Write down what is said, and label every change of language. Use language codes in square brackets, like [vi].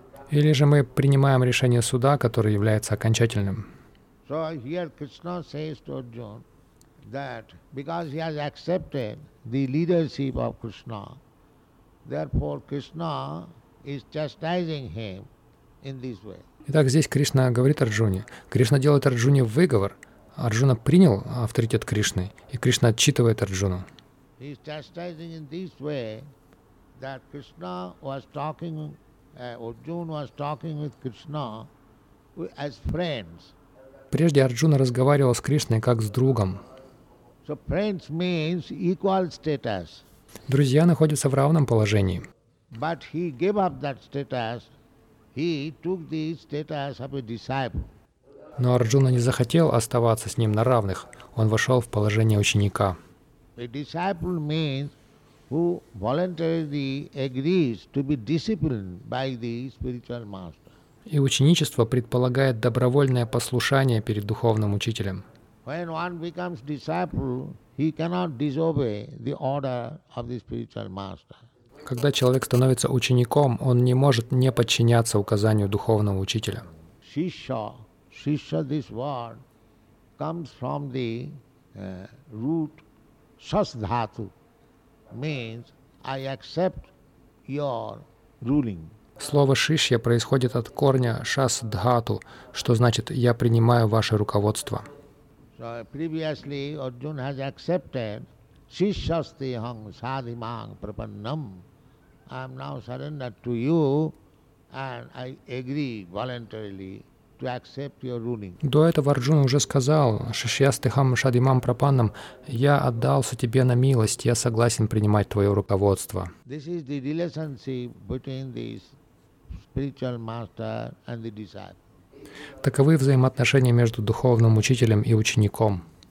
[ru] Или же мы принимаем решение суда, которое является окончательным. [en] So here Krishna says to Arjuna that because he has accepted the leadership of Krishna, therefore Krishna is chastising him in this way. [ru] Итак, здесь Кришна говорит Арджуне. Кришна делает Арджуне выговор. Арджуна принял авторитет Кришны, и Кришна отчитывает Арджуну. [en] is chastising in this way that Krishna was talking, Arjuna was talking with Krishna as friends. [ru] Прежде Арджуна разговаривал с Кришной как с другом. [en] So friends means equal status. [ru] Друзья находятся в равном положении. [en] But he gave up that status. He took the status of a disciple. [ru] Но Арджуна не захотел оставаться с ним на равных. Он вошел в положение ученика. [en] A disciple means who voluntarily agrees to be disciplined by the spiritual master. [ru] И ученичество предполагает добровольное послушание перед духовным учителем. [en] When one becomes disciple, he cannot disobey the order of the spiritual master. [ru] Когда человек становится учеником, он не может не подчиняться указанию духовного учителя. [en] Шишья, шишья, this word comes from the root шасдхату, means I accept your ruling. [ru] Слово шишья происходит от корня шасдхату, что значит я принимаю ваше руководство. [en] So previously Arjuna has accepted [sa] шишьястиам садхимам прапаннам. [en] I am now surrendered to you, and I agree voluntarily to accept your ruling. [ru] До этого Арджуна уже сказал: [sa] «Шишьястихам шадимам прапаннам, [ru] я отдался тебе на милость, я согласен принимать твое руководство». [en] This is the relationship between the spiritual master and the disciple. [ru] Таковы взаимоотношения между духовным учителем и учеником.